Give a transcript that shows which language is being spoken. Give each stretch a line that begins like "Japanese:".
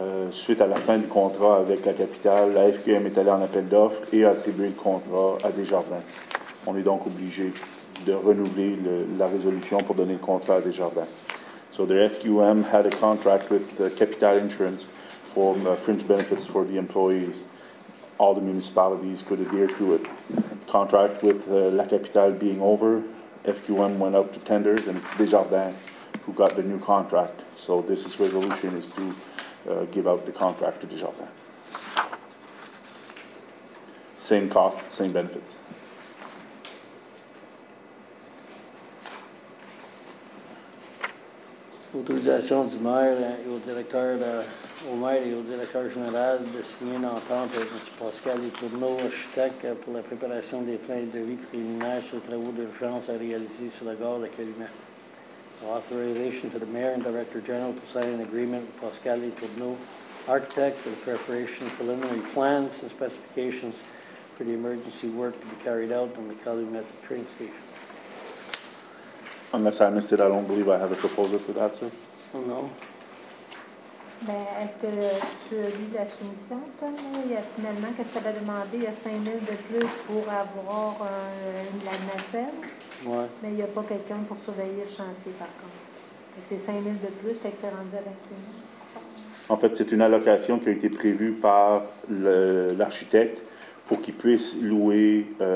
French: suite à la fin du contrat avec la capitale, la FQM est allée en appel d'offres et a attribué le contrat à Desjardins. On est donc obligé de renouveler la résolution pour donner le contrat à Desjardins.
English: So the FQM had a contract with Capital Insurance for fringe benefits for the employees. All the municipalities could adhere to it. Contract with La Capitale being over, FQM went out to tenders, and it's Desjardins who got the new contract. So this is resolution is to give out the contract to Desjardins. Same cost, same benefits.
French: Autorisation du maire et au directeur de, au maire et au directeur général de signer une entente avec M. Pascal et Tourneau, architecte, pour la préparation des plans de vie préliminaires sur les travaux d'urgence à réaliser sur la gare de Calumet.
English: Authorization to the mayor and director general to sign an agreement with Pascal et Tourneau, architect, for the preparation of preliminary plans and specifications for the emergency work to be carried out on the Calumet train station. Unless I missed it, I don't believe I have a proposal for that, sir. No.
French: Ben, est-ce que tu as lu la soumission, Tom? Il y a finalement, qu'est-ce qu'elle a demandé? Il y a 5 000 de plus pour avoir de la nacelle. Ouais. Mais il n'y a pas quelqu'un pour surveiller le chantier, par contre. Fait que c'est 5 000 de plus, fait que c'est rendu avec tout le monde. En fait, c'est une allocation qui a été prévue par l'architecte pour qu'il puisse louer...